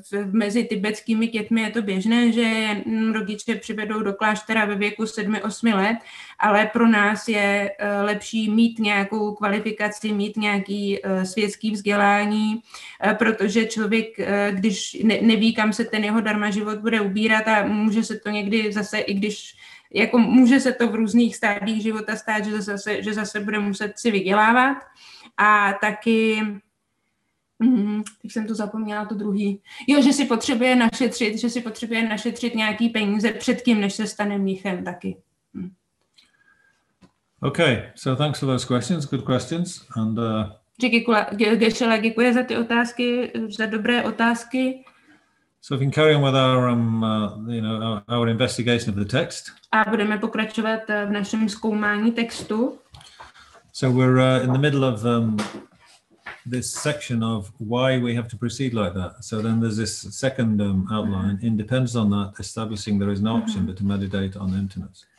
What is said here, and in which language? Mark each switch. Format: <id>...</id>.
<cs>mezi tibetskými dětmi je to běžné, že rodiče přivedou do kláštera ve věku 7-8 let, ale pro nás je lepší mít nějakou kvalifikaci, mít nějaký světský vzdělání, protože člověk, když neví, kam se ten jeho darma život bude ubírat, a může se to někdy zase, i když jako může se to v různých stádích života stát, že zase bude muset si vydělávat. A taky, tak jsem to zapomněla, to druhý. Jo, že si potřebuje našetřit nějaký peníze před tím, než se stane mnichem taky.</cs> <en>Okay, so thanks for those questions, good questions. And</en> <cs>Geshe-la, děkuji za ty otázky, za dobré otázky.</cs> <en>So we can carry on with our, you know, our investigation of the text.</en> <cs>A budeme pokračovat v našem zkoumání textu.</cs> <en>So we're in the middle of this section of why we have to proceed like that. So then there's this second outline, in depends on that, establishing there is no option but to meditate on emptiness.</en>